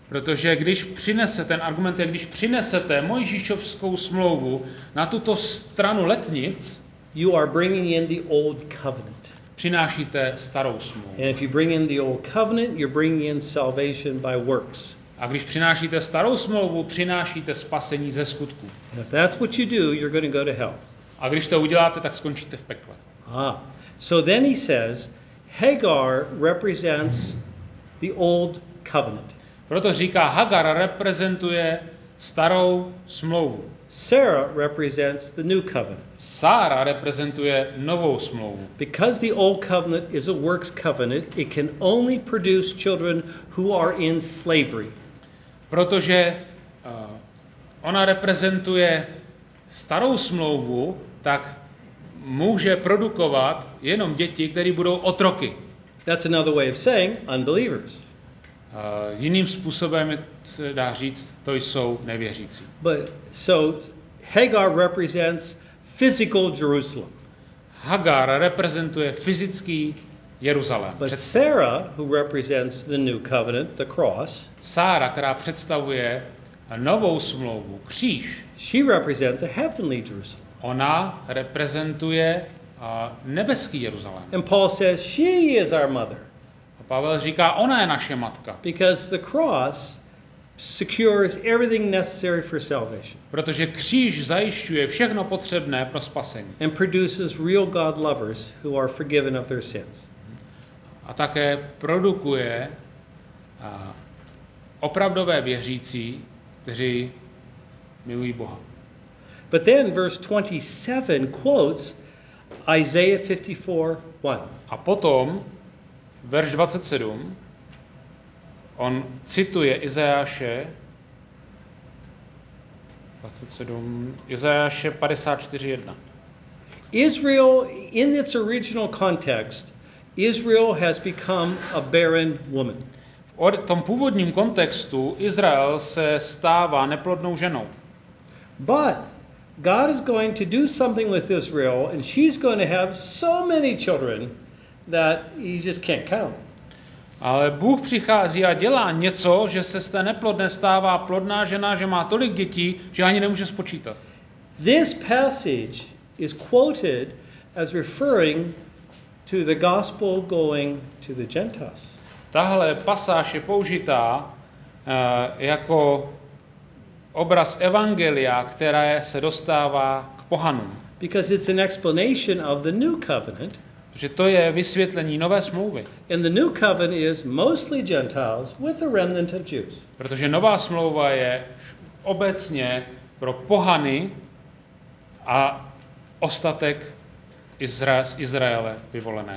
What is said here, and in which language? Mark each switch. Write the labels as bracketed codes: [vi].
[cs] Protože když přinesete ten argument, když přinesete Mojžíšovskou smlouvu na tuto stranu letnic, [en] you are bringing in the old covenant. [cs] Přinášíte starou smlouvu. [en] And if you bring in the old covenant, you're bringing in salvation by works. [cs] A když přinášíte starou smlouvu, přinášíte spasení ze skutku. [en] And if that's what you do, you're going to go to hell. [cs] A když to uděláte, tak skončíte v pekle. [en] So then he says, Hagar represents the old covenant. [cs] Proto říká, Hagar reprezentuje starou smlouvu. [en] Sarah represents the new covenant. [cs] Sara reprezentuje novou smlouvu. [en] Because the old covenant is a works covenant, it can only produce children who are in slavery. [cs] Protože ona reprezentuje starou smlouvu, tak může produkovat jenom děti, které budou otroky. [en] That's another way of saying unbelievers. [cs] Jiným způsobem se dá říct, to jsou nevěřící. [en] But so Hagar represents physical Jerusalem. [cs] Hagar reprezentuje fyzický Jeruzalém. [en] But Sarah, who represents the new covenant, the cross. [cs] Sara, která představuje novou smlouvu, kříž. [en] She represents a heavenly Jerusalem. [cs] Ona reprezentuje nebeský Jeruzalém. [en] And Paul says she is our mother. [cs] A Pavel říká, ona je naše matka. [en] Because the cross secures everything necessary for salvation. [cs] Protože kříž zajišťuje všechno potřebné pro spasení. [en] And produces real God lovers who are forgiven of their sins. [cs] A také produkuje opravdové věřící, kteří milují Boha. [en] But then verse 27 quotes Isaiah 54:1. [cs] A potom verš 27 on cituje Izajáše 27 Izajáše 54:1. [en] Israel in its original context, Israel has become a barren woman. [cs] V tom původním kontextu Izrael se stává neplodnou ženou. [en] But God is going to do something with Israel and she's going to have so many children that he just can't count. [cs] Ale Bůh přichází a dělá něco, že se z té neplodné stává plodná žena, že má tolik dětí, že ani nemůže spočítat. [en] This passage is quoted as referring to the gospel going to the Gentiles. [cs] Tahle pasáž je použitá jako obraz evangelia, které se dostává k pohanům. [en] Because it's an explanation of the new covenant. [cs] Že to je vysvětlení nové smlouvy. [en] And the new covenant is mostly Gentiles with a remnant of Jews. [cs] Protože nová smlouva je obecně pro pohany a ostatek z Izraele vyvolené.